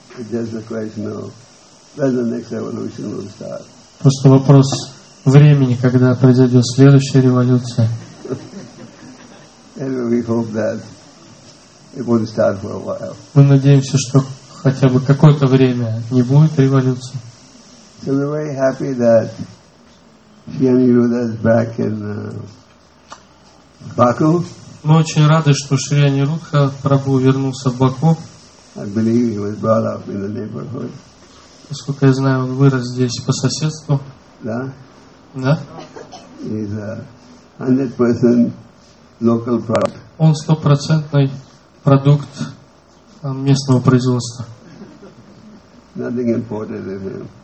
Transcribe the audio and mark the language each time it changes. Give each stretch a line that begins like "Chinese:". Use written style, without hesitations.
Russian: Просто вопрос времени, когда произойдет следующая революция. Мы надеемся, что хотя бы какое-то время не будет революции.
English: So we're very happy that Shyami Rudra is back in Baku.
Russian: Мы очень рады, что Шриани Рудха Прабху вернулся в Баку.
English: I believe he was brought up in the neighborhood.
Russian: Насколько я знаю, он вырос здесь по соседству. Да? Да?
English: He's a 100% local product.
Russian: Он 100% продукт местного производства.
English: Nothing imported in him.